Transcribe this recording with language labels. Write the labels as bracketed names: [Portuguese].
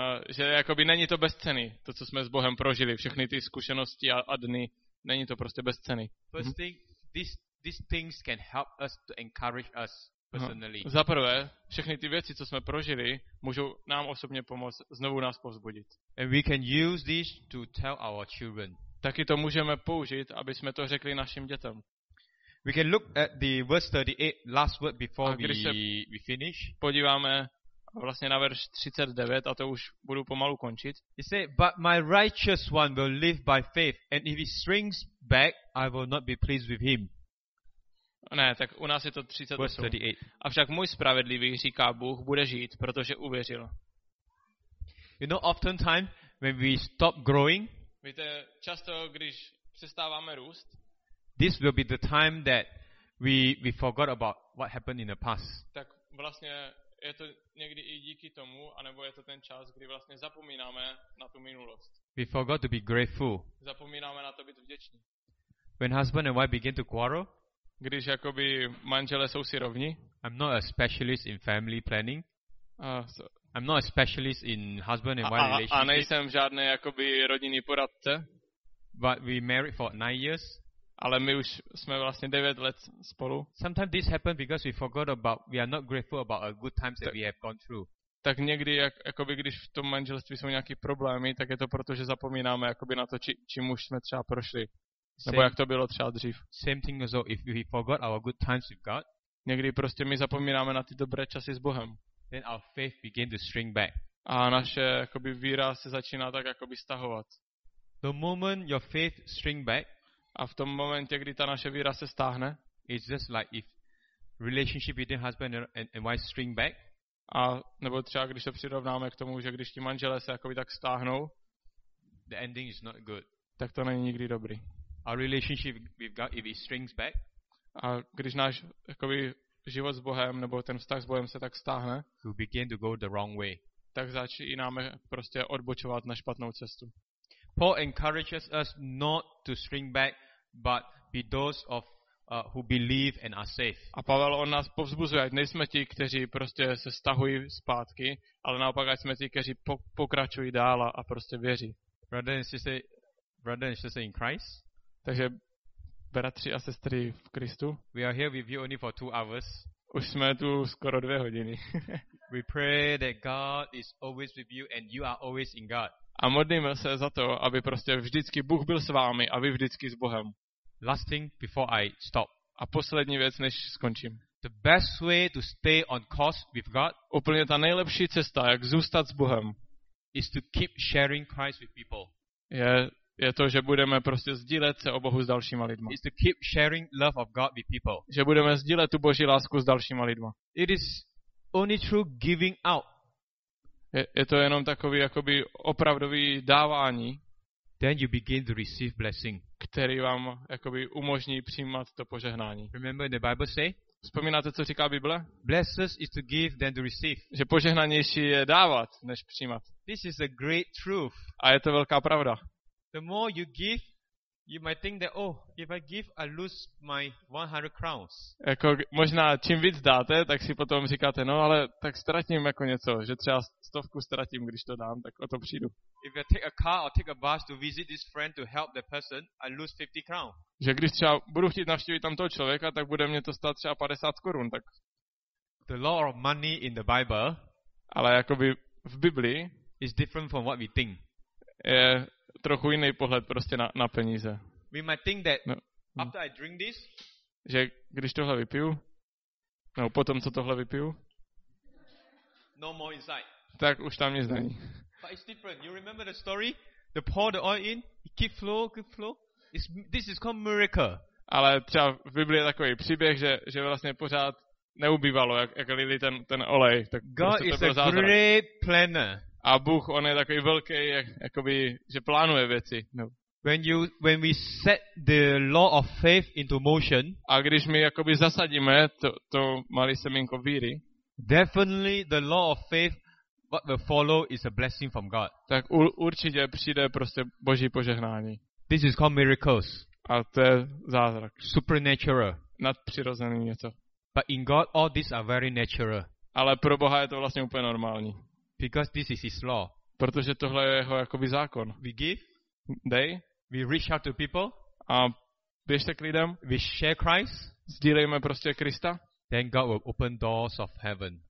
[Czech] Že jakoby není to bezcenný, to, co jsme s Bohem prožili, všechny ty zkušenosti a dny, není to prostě bezcenný. [English] First thing, these things can help us to encourage us. [Czech] Za prvé, všechny ty věci, co jsme prožili, můžou nám osobně pomoct znovu nás povzbudit. [English] And we can use this to tell our children. [Czech] Taky to můžeme použít, aby jsme to řekli našim dětem. [English] We can look at the verse 38, last word before we finish. [Czech] Podíváme vlastně na verš 39 a to už budu pomalu končit. [English] He said, but my righteous one will live by faith, and if he shrinks back, I will not be pleased with him. [Czech] Ne, tak u nás je to 38. Avšak můj spravedlivý, říká Bůh, bude žít, protože uvěřil. [English] You know, oftentimes when we stop growing, [Czech] víte, často když přestáváme růst, [English] this will be the time that we forgot about what happened in the past. [Czech] Tak vlastně je to někdy i díky tomu, anebo je to ten čas, kdy vlastně zapomínáme na tu minulost. [English] We forgot to be grateful. [Czech] Zapomínáme na to být vděční. [English] When husband and wife begin to quarrel, [Czech] když jakoby manželé jsou si rovni, [English] I'm not a specialist in family planning. I'm not a specialist in husband and wife relationship. [Czech] A nejsem žádný jakoby rodinný poradce. [English] But we married for 9 years. [Czech] Ale my už jsme vlastně 9 let spolu. [English] Sometimes this happens because we forgot about, we are not grateful about our good times that we have gone through. [Czech] Tak někdy, jakoby když v tom manželství jsou nějaký problémy, tak je to proto, že zapomínáme jakoby na to, čím už jsme třeba prošli. Nebo jak to bylo třeba dřív. [English] Same thing as though if we forgot our good times with God. [Czech] Někdy prostě my zapomínáme na ty dobré časy s Bohem. [English] Then our faith begin to shrink back. [Czech] A naše jakoby víra se začíná tak jakoby stahovat. [English] The moment your faith shrink back, [Czech] a v tom momentě, kdy ta naše víra se stáhne, [English] it's just like if relationship between husband and wife shrink back, [Czech] a nebo třeba když to přirovnáme k tomu, že když ti manželé se jakoby tak stáhnou, [English] the ending is not good. [Czech] Tak to není nikdy dobrý. [English] Our relationship we've got if it shrinks back, [Czech] a když náš jakoby život s Bohem nebo ten vztah s Bohem se tak stáhne, [English] we begin to go the wrong way. [Czech] Tak začínáme prostě odbočovat na špatnou cestu. [English] Paul encourages us not to shrink back, but be those of who believe and are safe. [Czech] A Pavel on nás povzbuzuje, ať nejsme ti, kteří prostě se stahují zpátky, ale naopak ať jsme ti, kteří pokračují dál a prostě věří. [English] Brother and sister in Christ. [Czech] Takže bratři a sestry v Kristu. [English] We are here with you only for 2 hours. [Czech] Už jsme tu skoro 2 hodiny. [English] We pray that God is always with you and you are always in God. [Czech] A modlíme se za to, aby prostě vždycky Bůh byl s vámi a vy vždycky s Bohem. [English] Last thing before I stop. [Czech] A poslední věc, než skončím. [English] The best way to stay on course with God, [Czech] úplně ta nejlepší cesta, jak zůstat s Bohem, [English] is to keep sharing Christ with people. [Czech] Je to, že budeme prostě sdílet se o Bohu s dalšíma lidma. [English] Is to keep sharing love of God with people. [Czech] Že budeme sdílet tu Boží lásku s dalšíma lidma. [English] It is only through giving out. [Czech] Je to jenom takový jakoby opravdový dávání. [English] Then you begin to receive blessing, [Czech] který vám jakoby umožní přijímat to požehnání. [English] Remember the Bible say? [Czech] Vzpomínáte, co říká Bible? [English] Blessed is to give than to receive. [Czech] Že požehnanější je dávat než přijímat. [English] This is a great truth. [Czech] A je to velká pravda. [English] The more you give, you might think that oh, if I give I lose my 100 crowns. [Czech] Jako možná čím víc dáte, tak si potom říkáte, no ale tak ztratím jako něco, že třeba stovku ztratím, když to dám, tak o to přijdu. [English] If I take a car or take a bus to visit this friend to help the person, I lose 50 crowns. [Czech] Že když třeba budu chtít navštívit tamto člověka, tak bude mě to stát třeba 50 korun, tak. [English] The law of money in the Bible, [Czech] ale jakoby v Biblii, [English] is different from what we think. [Czech] Je trochu jiný pohled prostě na peníze. [English] We might think that after I drink this, [Czech] že když tohle vypiju, no potom co tohle vypiju, [English] no more inside. [Czech] Tak už tam nic není. [English] But it's different. You remember the story? The pour the oil in, it keep flow. This is called miracle. [Czech] Ale třeba v Biblii je takový příběh, že vlastně pořád neubývalo, jak lili ten olej. Tak [English] God [Czech] prostě [English] is a great planner. [Czech] A Bůh, on je takový velký, jakoby, že plánuje věci. No. [English] When we set the law of faith into motion, [Czech] a když my jakoby zasadíme to malé semínko víry, [English] definitely the law of faith what will follow is a blessing from God. [Czech] Tak určitě přijde prostě Boží požehnání. [English] This is called miracles. [Czech] A to je zázrak. [English] Supernatural. [Czech] Nadpřirozený něco. [English] But in God all these are very natural. [Czech] Ale pro Boha je to vlastně úplně normální. [English] Because this is his law. [Czech] Protože tohle je jeho jakoby zákon. [English] We give. [Czech] Dej. [English] We reach out to people. [Czech] A běžte k lidem. [English] We share Christ. [Czech] Sdílejme prostě Krista. [English] Then God will open doors of heaven.